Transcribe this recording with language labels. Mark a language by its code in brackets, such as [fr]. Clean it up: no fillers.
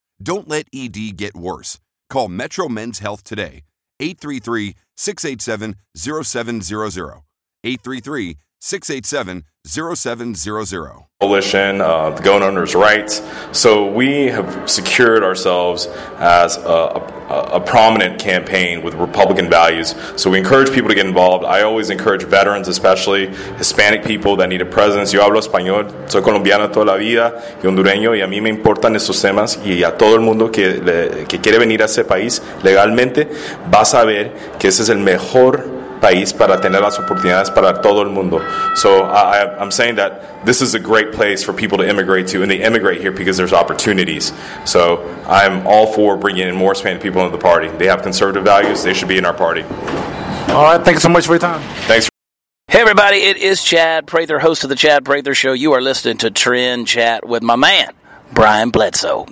[en] Don't let ED get worse. Call Metro Men's Health today, 833-687-0700, 833-687-0700. Coalition, the gun owners' rights. So we have secured ourselves as a prominent campaign with Republican values. So we encourage people to get involved. I always encourage veterans, especially Hispanic people that need a presence. [es] Yo hablo español, soy colombiano toda la vida y hondureño, y a mí me importan estos temas. Y a todo el mundo que quiere venir a ese país legalmente, va a saber que ese es el mejor país para tener las oportunidades para todo el mundo. [en] So I'm saying that this is a great place for people to immigrate to, and they immigrate here because there's opportunities. So I'm all for bringing in more Hispanic people into the party. They have conservative values. They should be in our party. All right. Thank you so much for your time. Thanks. Hey, everybody. It is Chad Prather, host of the Chad Prather Show. You are listening to Trend Chat with my man, Brian Bledsoe.